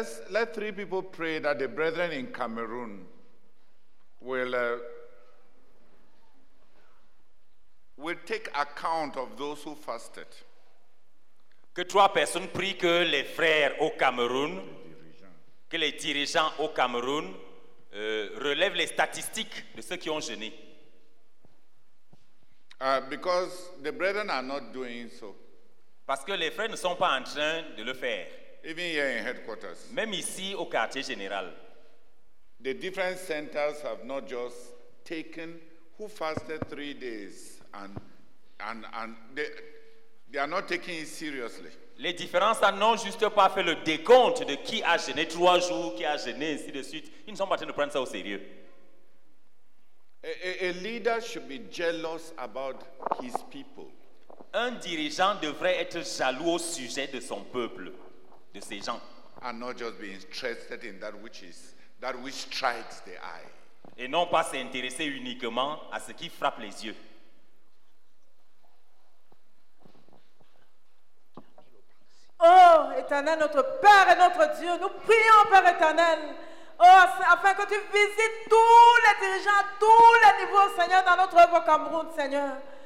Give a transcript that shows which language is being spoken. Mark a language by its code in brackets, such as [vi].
[en] Let three people pray that the brethren in Cameroon will take account of those who fasted. [fr] Que trois personnes prient que les frères au Cameroun, que les dirigeants au Cameroun relèvent les statistiques de ceux qui ont jeûné. [en] Because the brethren are not doing so. [fr] Parce que les frères ne sont pas en train de le faire. [en] Even here in headquarters. [fr] Même ici au quartier général. [en] The different centers have not just taken who fasted 3 days and they are not taking it seriously. [fr] Les différents centres n'ont juste pas fait le décompte de qui a jeûné 3 jours, qui a jeûné ainsi de suite. Ils ne sont pas en train de prendre ça au sérieux. [en] A leader should be jealous about his people. [fr] Un dirigeant devrait être jaloux au sujet de son peuple. De ces gens. [en] And not just be interested in that which strikes the eye. [fr] Et non pas s'intéresser uniquement à ce qui frappe les yeux. Oh, Éternel, notre Père et notre Dieu, nous prions, Père Éternel, oh, afin que tu visites tous les dirigeants, tous les niveaux, Seigneur, dans notre œuvre au Cameroun, Seigneur.